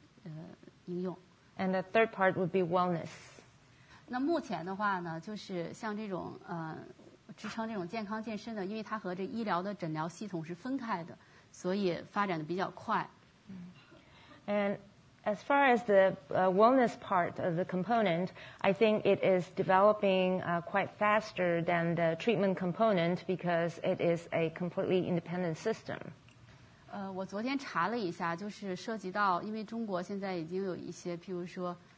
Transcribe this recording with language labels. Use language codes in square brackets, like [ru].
[zh] 然后另一块呢，我觉得是健康健身相关的一些应用。 [en] And the third part would be wellness. [zh] 那目前的话呢，就是像这种支撑这种健康健身的，因为它和这医疗的诊疗系统是分开的，所以发展的比较快。 [en] And as far as the wellness part of the component, I think it is developing quite faster than the treatment component because it is a completely independent system. [zh] 我昨天查了一下，就是涉及到，因为中国现在已经有一些，譬如说。